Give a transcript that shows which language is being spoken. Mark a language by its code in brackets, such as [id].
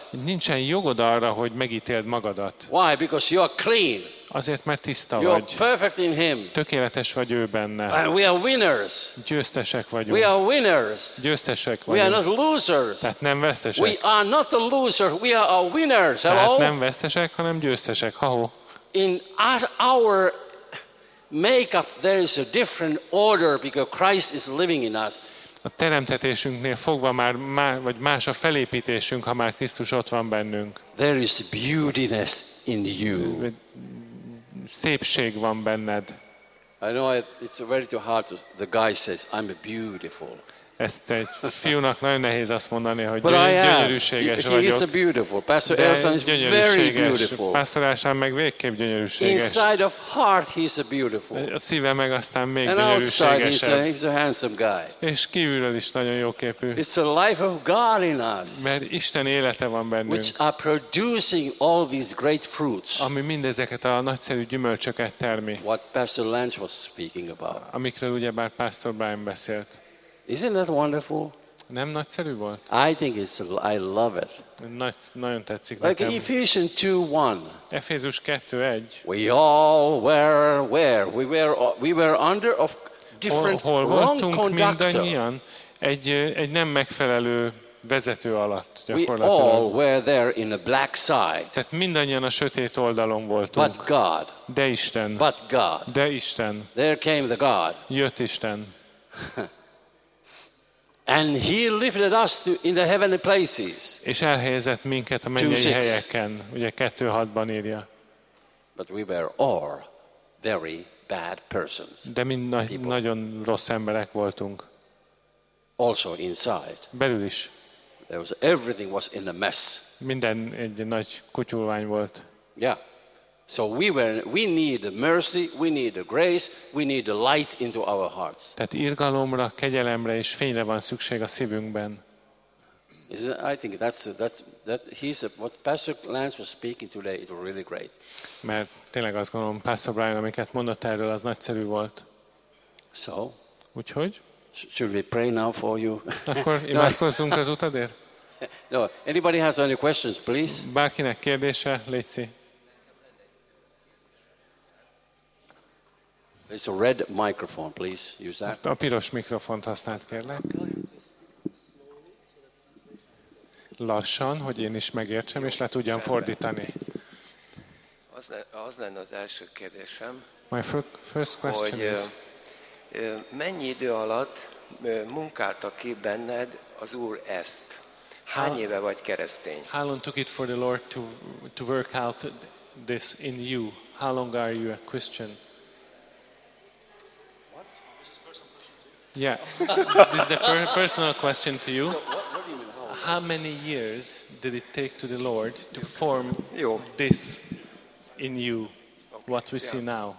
[hu] Nincsen jogod arra, hogy megítéld magadat. [en] Why? Because you are clean. [hu] Azért, mert tiszta [en] you [hu] vagy. [en] You are perfect in him. [hu] Tökéletes vagy ő benne. [en] And we are winners. [hu] Győztesek vagyunk. [en] We are winners. [hu] Győztesek vagyunk. [en] We are not losers. [hu] Tehát nem vesztesek. [en] We are not a loser. We are a winners. Hello? [hu] Tehát nem vesztesek, hanem győztesek. Ha-ho. [en] In our makeup there is a different order because Christ is living in us. [hu] A teremtetésünknél fogva már vagy más a felépítésünk, ha már Krisztus ott van bennünk. [en] There is beautiness in you. [hu] Szépség van benned. [en] I know it's very too hard to, the guy says I'm beautiful. [hu] Ezt egy fiúnak nagyon nehéz azt mondani, hogy gyönyörűséges vagyok. [en] He is a beautiful. Pastor Elson is very beautiful. [hu] Pastor Elson meg végképp gyönyörűséges. [en] Inside of heart he is a beautiful. [hu] A szíve meg aztán még [en] and [hu] gyönyörűségesebb. [en] And outside he's a handsome guy. [hu] És kívülről is nagyon jóképű. [en] It's a life of God in us. [hu] Mert Isten élete van bennünk. [en] Which are producing all these great fruits. [hu] Ami mindezeket a nagyszerű gyümölcsöket termi. [en] What Pastor Lance was speaking about. [hu] Amikről ugyebár Pastor Brian beszélt. [en] Isn't that wonderful? [hu] Nem nagyszerű volt. [en] I think it's I love it. [hu] Nagyon tetszik [en] like [hu] nekem. [en] Ephesians 2:1. [hu] Efézus 2:1. [en] We all were where? We were under of different wrong conduct. [hu] Egy nem megfelelő vezető alatt gyakorlatilag. [en] We all were there in a black side. [hu] Tehát mindannyian a sötét oldalon voltunk. [en] But God. [hu] De Isten. [en] But God. [hu] De Isten. [en] There came the God. [hu] Jött Isten. [en] And he lifted us to in the heavenly places. [hu] És elhelyezett minket a mennyei helyeken, ugye 2:6-ban írja. [en] But we were all very bad persons. [hu] De mi nagyon rossz emberek voltunk. [en] Also inside. [hu] Belül is. [en] There was everything was in a mess. [hu] Minden egy nagy kutyulvány volt. [en] Yeah. So we need mercy, we need grace, we need light into our hearts. [hu] Tehát irgalomra, kegyelemre és fényre van szükség a szívünkben. [en] I think what Pastor Lance was speaking today, it was really great. [hu] Mert tényleg azt gondolom, Pastor Brian, amiket mondott erről, az nagyszerű volt. [en] So, [hu] úgyhogy? [en] Should we pray now for you? [hu] Akkor imádkozzunk az utadért? [en] No, anybody has any questions, please? [hu] Bárkinek kérdése, léci. [en] It's a red microphone, please use that. [hu] A piros mikrofont használd, kérlek. Lassan, hogy én is megértsem, jó, és le tudjam fordítani. Az lenne az első kérdésem. [en] My first question [hu] hogy, [en] is. [hu] Mennyi idő alatt munkálta ki benned az Úr ezt? Hány éve vagy keresztény? [en] How long took it for the Lord to work out this in you? How long are you a Christian? What? This is a personal question to you. Yeah, this is a personal question to you. How many years did it take to the Lord to form this in you, what we see now?